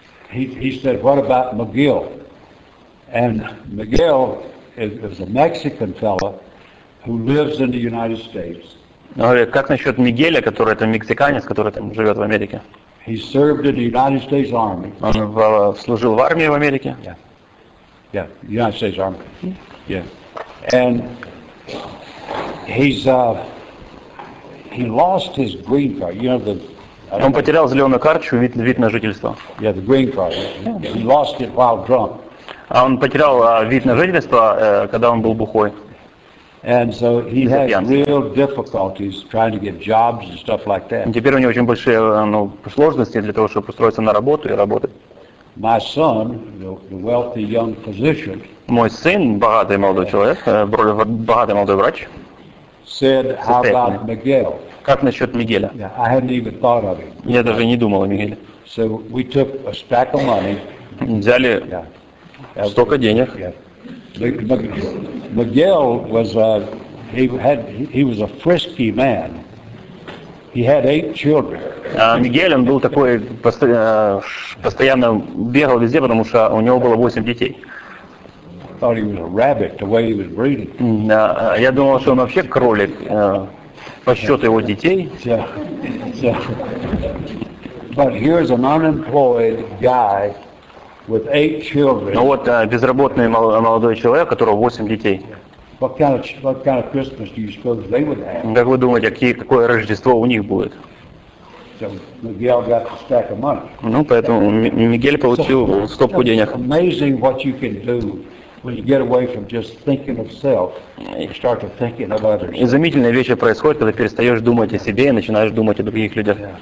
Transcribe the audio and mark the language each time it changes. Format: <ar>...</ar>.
<en>He said, "What about Miguel?" And Miguel is a Mexican fella who lives in the United States.</en> <ru>Он говорит, как насчет Мигеля, который это мексиканец, который там живет в Америке?</ru> <en>He served in the United States Army.</en> <ru>Он служил в армии в Америке?</ru> <en>Yeah. Yeah, United States Army. Yeah. And he lost his green card. You know, the</en> <ru>Он потерял зеленую карточку, вид на жительство.</ru> <en>Yeah, the green card. He lost it while drunk.</en> <ru>А он потерял вид на жительство, когда он был бухой.</ru> <en>And so he has real difficulties trying to get jobs and stuff like that.</en> <ru>Теперь у него очень большие сложности для того, чтобы устроиться на работу и работать.</ru> <en>My son, the wealthy young physician.</en> <ru>Мой сын, богатый молодой человек, богатый молодой врач.</ru> <en>Said, how about Miguel?</en> <ru>Как насчет Мигеля?</ru> <en>Yeah, I hadn't even thought of him.</en> <ru>Я даже не думал о Мигеле.</ru> <en>So we took a stack of money.</en> <ru>Взяли столько денег.</ru> <en>Miguel was he was a frisky man. He had 8 children.</en> <ru>Мигель, он был такой постоянно бегал везде, потому что у него было 8 детей.</ru> <en>Thought he was a rabbit the way he was breeding.</en> <ru>Я думал, что он вообще кролик по счету его детей.</ru> <en>But here's an unemployed guy. With 8 children.</en> <ru>Ну вот безработный молодой человек, у которого 8 детей.</ru> <en>What kind of Christmas do you suppose they would have?</en> <ru>Как вы думаете, какое Рождество у них будет?</ru> <en>So Miguel got the stack of money.</en> <ru>Ну поэтому Мигель получил стопку денег.</ru> <en>Amazing what you can do when you get away from just thinking of self and start to thinking of others.</en> <ru>Изумительные вещи происходят, когда перестаешь думать о себе и начинаешь думать о других людях.</ru>